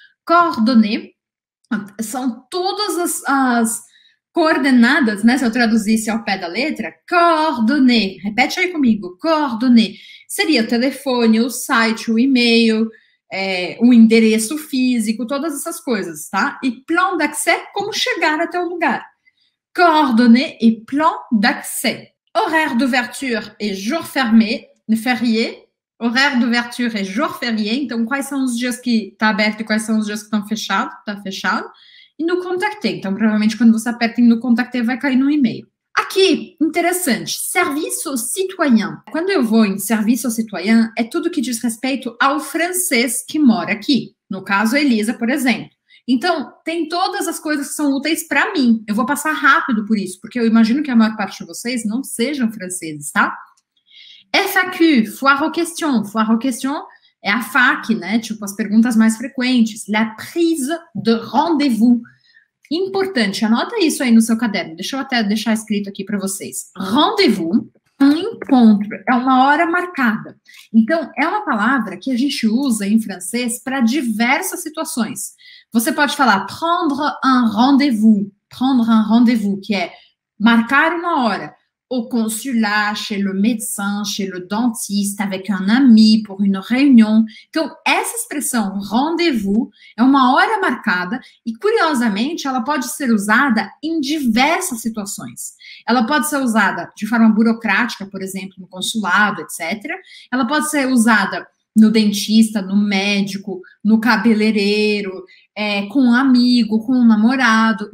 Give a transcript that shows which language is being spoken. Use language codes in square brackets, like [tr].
[pt] Coordonné, são todas as coordenadas, né? Se eu traduzisse ao pé da letra, coordonné, repete aí comigo, coordonné, seria o telefone, o site, o e-mail, o endereço físico, todas essas coisas, tá? E [fr] plan d'accès, [pt] como chegar até o lugar. [fr] Coordonné e plan d'accès. Horaire d'ouverture et jour fermé, férié. Horaire d'ouverture [pt] é [fr] jour férié, [pt] então quais são os dias que está aberto e quais são os dias que estão fechados, está fechado. E no contacté, então provavelmente quando você aperta em no contacté vai cair no e-mail. Aqui, interessante, serviço citoyen. Quando eu vou em serviço citoyen, é tudo que diz respeito ao francês que mora aqui. No caso, a Elisa, por exemplo. Então, tem todas as coisas que são úteis para mim. Eu vou passar rápido por isso, porque eu imagino que a maior parte de vocês não sejam franceses, tá? [fr] FAQ, foire aux questions. Foire aux questions [pt] é a FAQ, né? Tipo, as perguntas mais frequentes. [fr] La prise de rendez-vous. [pt] Importante, anota isso aí no seu caderno. Deixa eu até deixar escrito aqui para vocês. Rendez-vous, um encontro, é uma hora marcada. Então, é uma palavra que a gente usa em francês para diversas situações. Você pode falar [fr] prendre un rendez-vous, prendre un rendez-vous, [pt] que é marcar uma hora. [fr] Au consulat, chez le médecin, chez le dentiste, avec un ami, pour une réunion. [pt] Então, essa expressão, rendez-vous, é uma hora marcada e, curiosamente, ela pode ser usada em diversas situações. Ela pode ser usada de forma burocrática, por exemplo, no consulado, etc. Ela pode ser usada no dentista, no médico, no cabeleireiro, com um amigo, com um namorado.